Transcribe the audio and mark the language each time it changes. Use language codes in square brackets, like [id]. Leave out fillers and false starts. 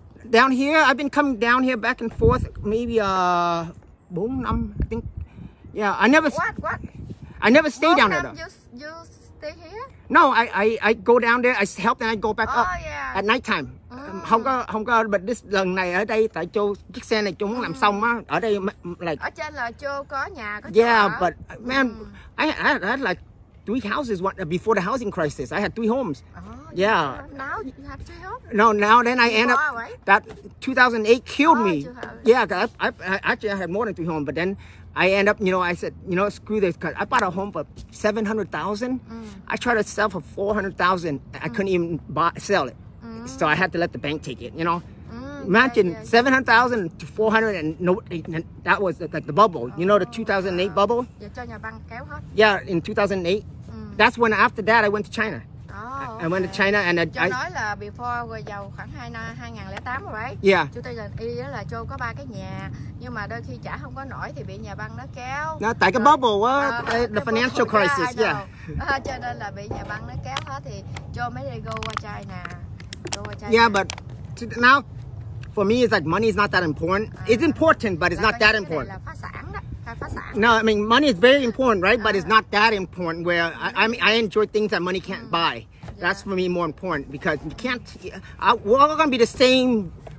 [en] down here, I've been coming down here back and forth, maybe, boom, I'm, I think, yeah, I never... What? I never stay down there, though. You stay here? No, I go down there, I help, and I go back up at night time. [vi] Không có, [en] but this [vi] lần này ở đây tại chỗ chiếc xe này chú muốn làm xong á, ở đây [en] like [vi] ở trên là chỗ có nhà có yeah chỗ. [en] But man I had like three houses before the housing crisis. I had three homes. Oh, yeah. Now you have three homes? No, now then I end up right? That 2008 killed me. Have... Yeah, cause I had more than three homes, but then I end up, you know, I said, you know, screw this, cause I bought a home for $700,000. I tried to sell for $400,000. I couldn't even sell it. So I had to let the bank take it, you know. Imagine $700,000 to $400,000, and no, that was like the bubble. You know the 2008 bubble? Yeah, in 2008. That's when after that I went to China. I went to China and I [vi] nói là [en] before [vi] vừa giàu khoảng 2008 rồi. [en] Yeah. [vi] 2008 là Châu có ba cái nhà, nhưng mà đôi khi trả không có nổi thì bị nhà băng nó kéo. Nó tại cái bubble á, [en] the financial crisis, yeah. [vi] Cho nên là bị nhà băng nó kéo hết thì Châu mới đi go qua China. [en] Yeah, but now for me it's like money is not that important. It's important, but it's not that important. No, I mean money is very important, right? But it's not that important where I enjoy things that money can't buy. That's for me more important because you can't. We're all gonna be the same.